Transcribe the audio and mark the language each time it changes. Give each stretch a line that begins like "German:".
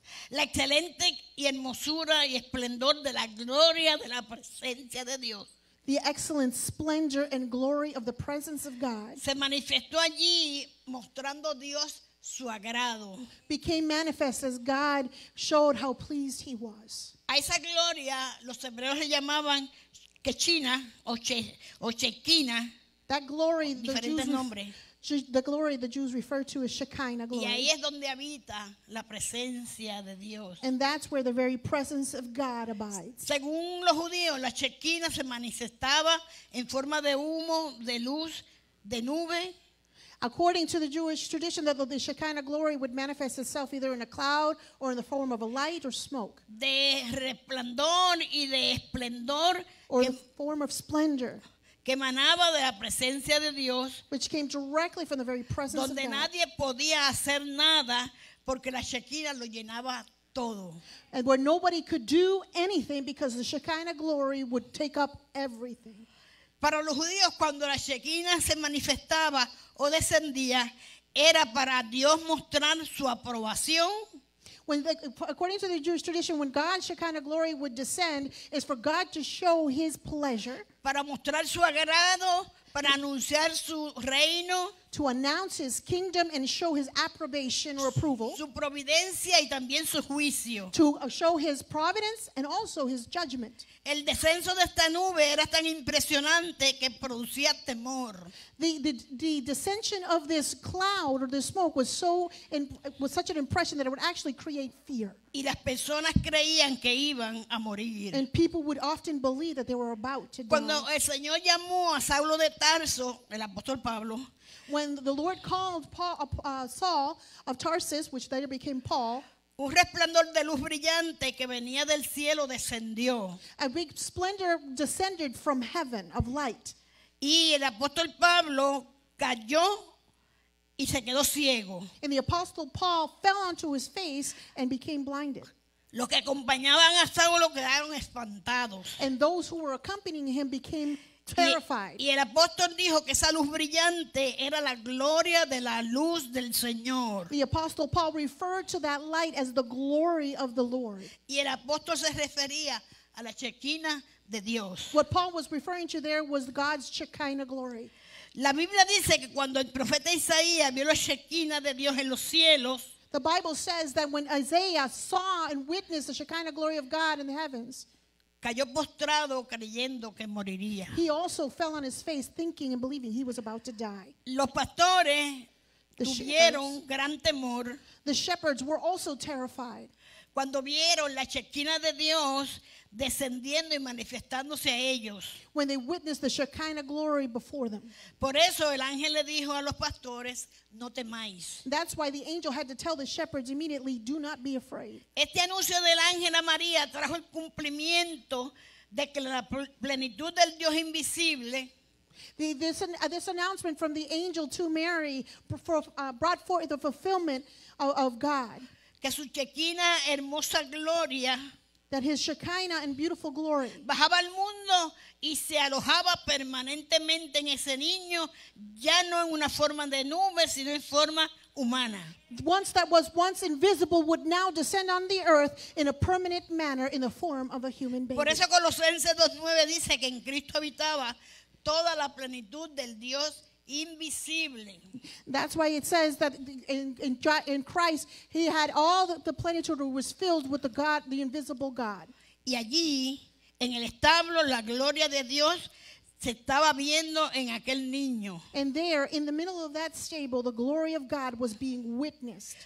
Spanish: la excelente y hermosura y esplendor de la gloria de la presencia de Dios.
English: The excellent splendor and glory of the presence of God.
Spanish: Se manifestó allí mostrando Dios su agrado.
English: Became manifest as God showed how pleased he was.
Spanish: A esa gloria los hebreos le llamaban Shekinah o Shekinah.
English: That glory,
Spanish: diferentes nombres.
English: The glory the Jews refer to is Shekinah glory.
Spanish: Y ahí es donde habita la presencia de Dios.
English: And that's where the very presence of God abides.
Spanish: Según los judíos, la Shekinah se manifestaba en forma de humo, de luz, de nube.
English: According to the Jewish tradition, that the Shekinah glory would manifest itself either in a cloud or in the form of a light or smoke.
Spanish: De resplandor y de esplendor.
English: Or the form of splendor.
Spanish: Que emanaba de la presencia de Dios,
English: which came directly from the very presence of God,
Spanish: donde nadie podía hacer nada porque la Shekinah lo llenaba todo,
English: and where nobody could do anything because the Shekinah glory would take up everything.
Spanish: Para los judíos, cuando la Shekinah se manifestaba o descendía, era para Dios mostrar su aprobación.
English: According to the Jewish tradition, when God's Shekinah glory would descend, it's for God to show his pleasure.
Spanish: Para mostrar su agrado, para anunciar su reino.
English: to announce his kingdom and show his approbation or approval.
Spanish: Su providencia y también su juicio.
English: To show his providence and also his judgment.
Spanish: El descenso de esta nube era tan impresionante que producía temor.
English: The descension of this cloud or the smoke was so in, was such an impression that it would actually create fear.
Spanish: Y las personas creían que iban a morir.
English: And people would often believe that they were about to die.
Spanish: Cuando el Señor llamó a Saulo de Tarso, el apóstol Pablo,
English: when the Lord called Paul, Saul of Tarsus, which later became Paul,
Spanish: un resplandor de luz brillante que venía del cielo descendió.
English: A big splendor descended from heaven of light.
Spanish: Y el apóstol Pablo cayó y se quedó ciego.
English: And the apostle Paul fell onto his face and became blinded.
Spanish: Los que acompañaban a Saulo quedaron espantados.
English: And those who were accompanying him became terrified.
Spanish: Y el apóstol dijo que esa luz brillante era la gloria de la luz del Señor.
English: The apostle Paul referred to that light as the glory of the Lord.
Spanish: Y el apóstol se refería a la Shekinah de Dios.
English: What Paul was referring to there was God's Shekinah glory.
Spanish: La Biblia dice que cuando el profeta Isaías vio la Shekinah de Dios en los cielos,
English: the Bible says that when Isaiah saw and witnessed the Shekinah glory of God in the heavens,
Spanish: cayó postrado creyendo que moriría.
English: He also fell on his face thinking and believing he was about to die.
Spanish: Los pastores tuvieron gran temor.
English: The shepherds were also terrified.
Spanish: Cuando vieron la Shekinah de Dios descendiendo y manifestándose a ellos.
English: When they witnessed the Shekinah glory before them.
Spanish: Por eso el ángel le dijo a los pastores, no temáis.
English: That's why the angel had to tell the shepherds immediately, do not be afraid.
Spanish: Este anuncio del ángel a María trajo el cumplimiento de que la plenitud del Dios invisible.
English: This announcement from the angel to Mary brought forth the fulfillment of God.
Spanish: Que su Shekinah hermosa gloria,
English: that his Shekinah and beautiful glory,
Spanish: bajaba al mundo y se alojaba permanentemente en ese niño, ya no en una forma de nube, sino en forma humana.
English: Once that was once invisible would now descend on the earth in a permanent manner in the form of a human baby.
Spanish: Por eso Colosenses 2:9 dice que en Cristo habitaba toda la plenitud del Dios invisible.
English: That's why it says that in Christ he had all the plenitude, was filled with the God, the invisible God.
Spanish: Y allí en el establo la gloria de Dios se estaba viendo en aquel niño.
English: And there in the middle of that stable the glory of God was being witnessed.